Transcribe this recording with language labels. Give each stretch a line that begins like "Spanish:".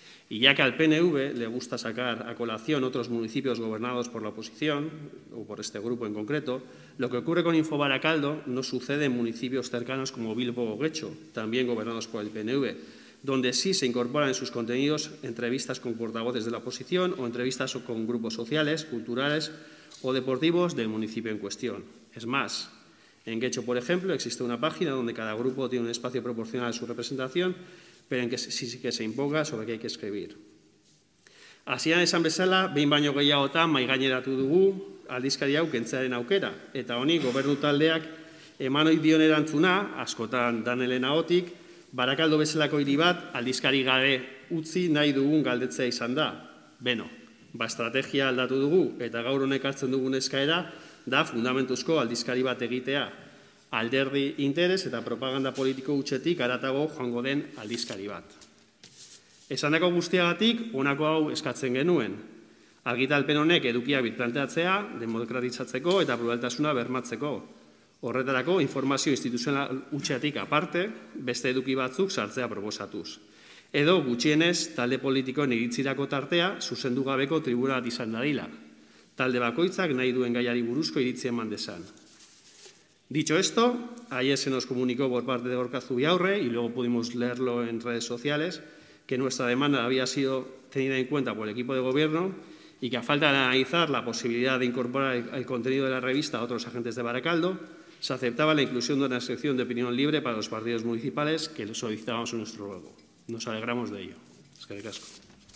Spanish: Y ya que al PNV le gusta sacar a colación otros municipios gobernados por la oposición, o por este grupo en concreto, lo que ocurre con Info Barakaldo no sucede en municipios cercanos como Bilbo o Getxo, también gobernados por el PNV, donde sí se incorporan en sus contenidos entrevistas con portavoces de la oposición o entrevistas con grupos sociales, culturales o deportivos del municipio en cuestión. Es más, en Getxo, por ejemplo, existe una página donde cada grupo tiene un espacio proporcional a su representación, pero en que se imponga sobre qué hay que escribir.
Basque: Así en esan bezala, behin baino gehiagotan maigaineratu dugu aldizkari hau kentzearen aukera, eta honi gobernu taldeak eman ohi dion erantzuna, askotan danelen ahotik, Barakaldo bezalako hiri bat aldizkari gabe utzi nahi dugun galdetzea izan da. Beno, ba estrategia aldatu dugu eta gaur honek hartzen dugun eskaera da fundamentuzko aldizkari bat egitea, alderdi interes eta propaganda politiko hutsetik haratago joango den aldizkari bat. Esandako guztiagatik, honako hau eskatzen genuen. Argitalpen honek edukia birplanteatzea, demokratizatzeko eta pluraltasuna bermatzeko. Horretarako, informazio instituzional hutsetik aparte, beste eduki batzuk sartzea proposatuz. Edo, gutxienez, talde politikoen iritzirako tartea zuzendu gabeko tribuna bat izan dadila. Talde bakoitzak nahi duen gaiari buruzko iritzien mandesan.
Spanish: Dicho esto, ayer se nos comunicó por parte de Gorka Zubiaurre, y luego pudimos leerlo en redes sociales, que nuestra demanda había sido tenida en cuenta por el equipo de gobierno y que a falta de analizar la posibilidad de incorporar el contenido de la revista a otros agentes de Barakaldo, se aceptaba la inclusión de una sección de opinión libre para los partidos municipales que solicitábamos en nuestro ruego. Nos alegramos de ello. Es que de casco.